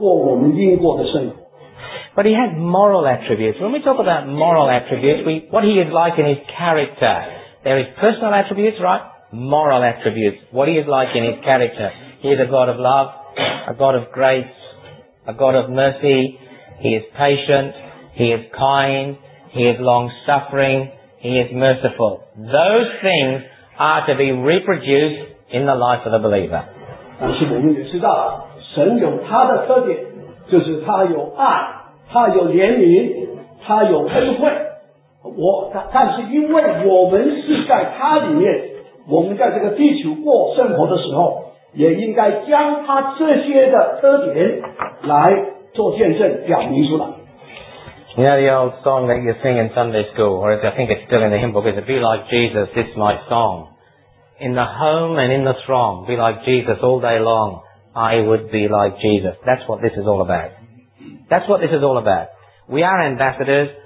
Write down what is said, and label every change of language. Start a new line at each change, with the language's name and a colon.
Chinese: 我们大家都知道，神是无完结，他是从永恒到永恒的。我们大家都知道，我们现在要在神，在神的里面过我们应过的生活。But
English: He has moral attributes. When we talk about moral attributes, what He is like in His character. There is personal attributes, right? Moral attributes. What He is like in His character. He is a God of love, a God of grace, a God of mercy. He is patient, He is kind, He is long-suffering, He is merciful. Those things are to be reproduced in the life of the believer.
Chinese: 但是我们也知道，神有他的特点，就是他有爱，他有怜悯，他有恩惠。但是因为我们是在他里面，我们在这个地球过生活的时候， 也应该将他这些的特点来做见证，表明出来。
English: You know the old song that you sing in Sunday school, or I think it's still in the hymn book, is "Be Like Jesus, This My Song." In the home and in the throng, be like Jesus all day long. I would be like Jesus. That's what this is all about. That's what this is all about. We are ambassadors.